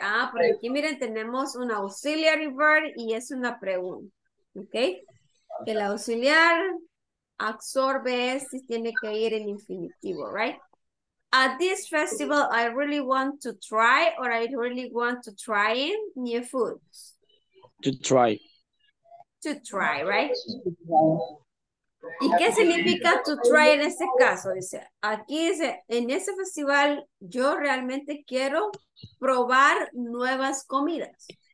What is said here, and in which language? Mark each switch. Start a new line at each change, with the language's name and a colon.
Spanish: Ah, porque aquí miren, tenemos un auxiliary verb y es una pregunta. ¿Ok? El auxiliar absorbe si tiene que ir en infinitivo, right?
English: At this festival, I really want to try, or I really want to try in new foods. To try, right?
Spanish: ¿Y qué significa to try en este caso? Dice, aquí dice, en ese festival, yo realmente quiero probar nuevas comidas.